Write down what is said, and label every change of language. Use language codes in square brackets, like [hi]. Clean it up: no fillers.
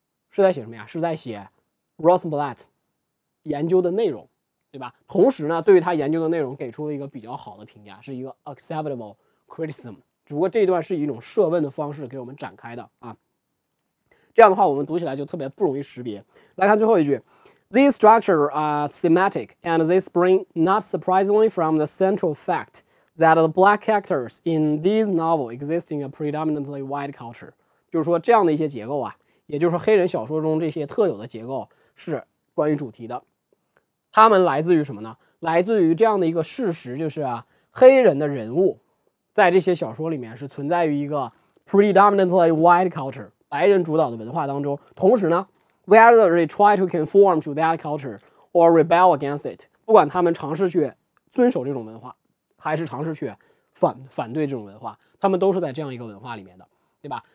[zh] 是在写什么呀？是在写 Rosenblatt 研究的内容，对吧？同时呢，对于他研究的内容给出了一个比较好的评价，是一个 [en] acceptable criticism， [zh] 只不过这一段是以一种设问的方式给我们展开的啊。这样的话我们读起来就特别不容易识别。来看最后一句， [en] These structures are thematic and they spring not surprisingly from the central fact that the black characters in these novels exist in a predominantly white culture。 [zh] 就是说这样的一些结构啊，也就是黑人小说中这些特有的结构是关于主题的，他们来自于什么呢？来自于这样的一个事实，就是啊，黑人的人物在这些小说里面是存在于一个 [en] predominantly white culture [zh] 白人主导的文化当中，同时呢 [en] whether they try to conform to that culture or rebel against it， [zh] 不管他们尝试去遵守这种文化还是尝试去 反对这种文化，他们都是在这样一个文化里面的，对吧？